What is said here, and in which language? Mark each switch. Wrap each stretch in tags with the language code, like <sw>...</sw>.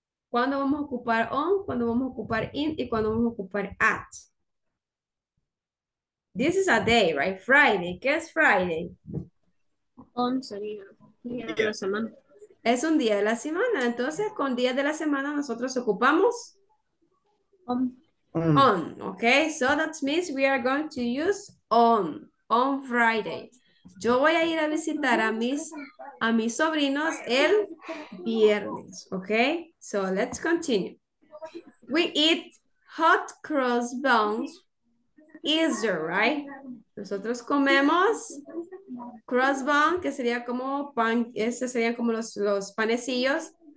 <es>¿Cuándo vamos a ocupar on? ¿Cuándo vamos a ocupar in? ¿Y cuándo vamos a ocupar at?</es> <en>This is a day, right? Friday.</en> <es>¿Qué es Friday? On sería día de la semana. Es un día de la semana. Entonces, con día de la semana, nosotros ocupamos</es> <en>on. On, ok. So that means we are going to use on Friday.</en> <es>Yo voy a ir a visitar a mis sobrinos el viernes, ok.</es> <en>So let's continue. We eat hot cross buns Easter, right?</en> <es>Nosotros comemos cross bun, que sería como pan, ese serían como los panecillos.</es>